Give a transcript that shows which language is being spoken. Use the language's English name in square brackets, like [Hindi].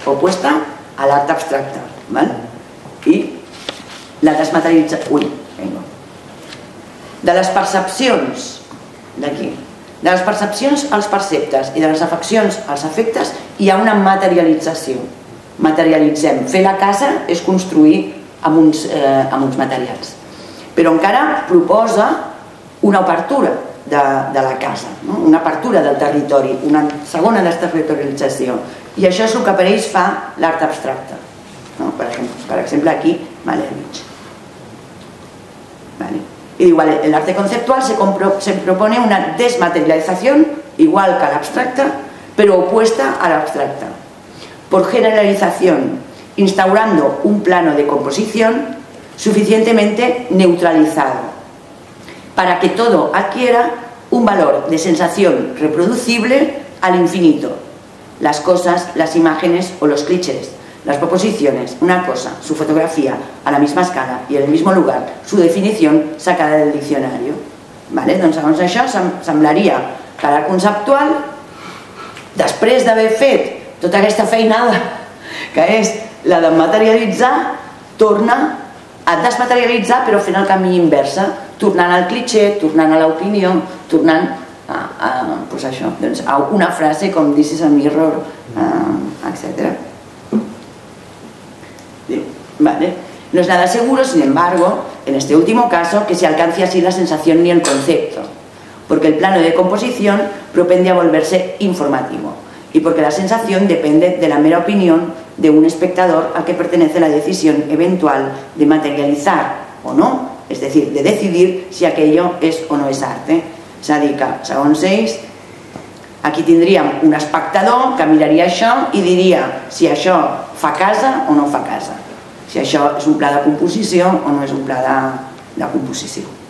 [Spanish] Opuesta al arte abstracto, ¿vale? Y la desmaterialización... Uy, vengo. De las percepciones, d'aquí, de las percepciones a los perceptes y de las afecciones a los afectes, [Catalan] hi ha [Spanish] una materialización. [Catalan] Materialitzem. Fer la casa és construir amb uns materials. Però encara proposa una apertura de la casa, no? Una apertura del territori, una segona desterritorialització. I això és el que apareix fa l'art abstracte. No? Per exemple, aquí, Malevich. Vale. I diu, vale, [Spanish] l'arte conceptual se propone [Catalan] una desmaterialització igual que l'abstracte, però opuesta a l'abstracte. [Spanish] Por generalización, instaurando un plano de composición suficientemente neutralizado para que todo adquiera un valor de sensación reproducible al infinito. Las cosas, las imágenes o los clichés, las proposiciones, una cosa, su fotografía a la misma escala y en el mismo lugar, su definición sacada del diccionario. ¿Vale? [Catalan] Entonces, segons això, semblaria que l'art conceptual, després d'haver fet tota aquesta feinada, que és la de materialitzar, torna a desmaterialitzar, però fent el camí inversa, tornant al cliché, tornant a l'opinió, tornant a, pues això, doncs, a una frase com [English] "This is a mirror", [Catalan] etc. Vale. [Spanish] No es nada seguro, sin embargo, en este último caso, que se alcance así la sensación ni el concepto, porque el plano de composición propende a volverse informativo. Y porque la sensación depende de la mera opinión de un espectador al que pertenece la decisión eventual de materializar o no, es decir, de decidir si aquello es o no es arte. [Catalan] S'ha dit que, segons 6, aquí tindríem un espectador que miraria això i diria si això fa casa o no fa casa, si això és un pla de composició o no és un pla de composició.